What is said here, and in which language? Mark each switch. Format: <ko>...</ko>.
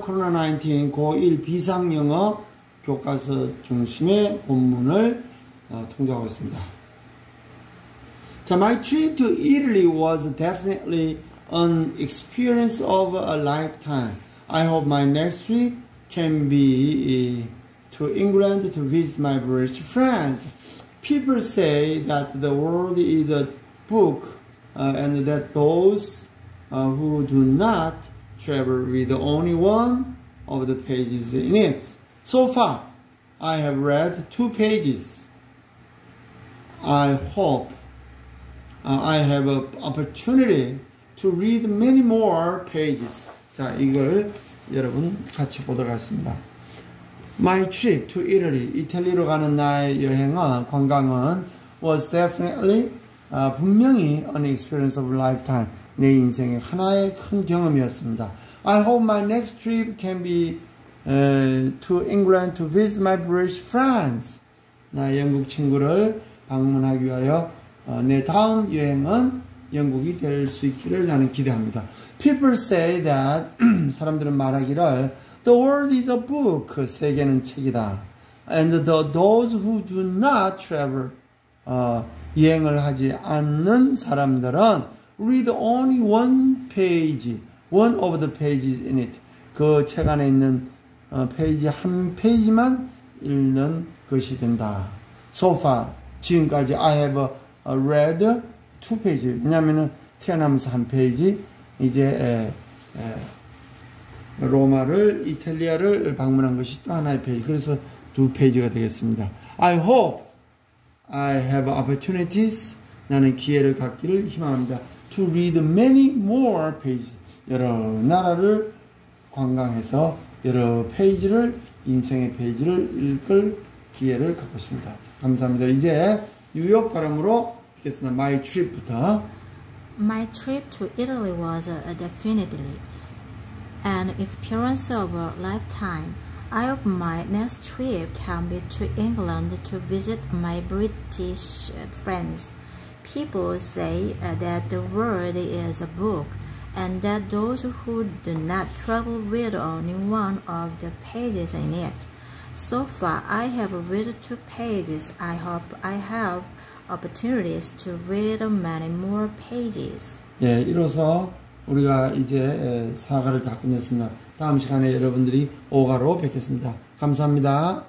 <ko>코로나19 고1 비상영어 교과서 중심의 본문을 통독하고 있습니다.</ko> <en>So my trip to Italy was definitely an experience of a lifetime. I hope my next trip can be to England to visit my British friends. People say that the world is a book and that those who do not travel with only one of the pages in it. So far, I have read two pages. I hope I have an opportunity to read many more pages.</en> <ko>자, 이걸 여러분 같이 보도록 하겠습니다.</ko> <en>My trip to Italy,</en> <ko>이탈리아로 가는 나의 여행은, 관광은</ko> <en>was definitely</en> <ko>분명히</ko> <en>an experience of a lifetime.</en> <ko>내 인생의 하나의 큰 경험이었습니다.</ko> <en>I hope my next trip can be to England to visit my British friends.</en> <ko>나의 영국 친구를 방문하기 위하여 내 다음 여행은 영국이 될 수 있기를 나는 기대합니다.</ko> <en>People say that,</en> <ko>사람들은 말하기를,</ko> <en>the world is a book,</en> <ko>세계는 책이다.</ko> <en>And those who do not travel,</en> <ko>여행을 하지 않는 사람들은</ko> <en>read only one page. One of the pages in it.</en> <ko>그 책 안에 있는 페이지 한 페이지만 읽는 것이 된다.</ko> <en>So far,</en> <ko>지금까지</ko> <en>I have read two pages.</en> <ko>왜냐하면 태어나면서 한 페이지, 이제 로마를, 이탈리아를 방문한 것이 또 하나의 페이지. 그래서 두 페이지가 되겠습니다.</ko> <en>I hope I have opportunities.</en> <ko>나는 기회를 갖기를 희망합니다.</ko> <en>To read many more pages.</en> <ko>여러 나라를 관광해서 여러 페이지를, 인생의 페이지를 읽을 기회를 갖고 있습니다. 감사합니다. 이제 뉴욕 발음으로 듣겠습니다.</ko> <en>My trip</en> <ko>부터.</ko> <en>My trip to Italy was definitely an experience of a lifetime. I hope my next trip can be to England to visit my British friends. People say that the world is a book. And that those who do not travel read only one of the pages in it. So far, I have read two pages. I hope I have opportunities to read many more pages.</en> <ko>예, 이로써 우리가 이제 4가를 다 끝냈습니다. 다음 시간에 여러분들이 5가로 뵙겠습니다. 감사합니다.</ko>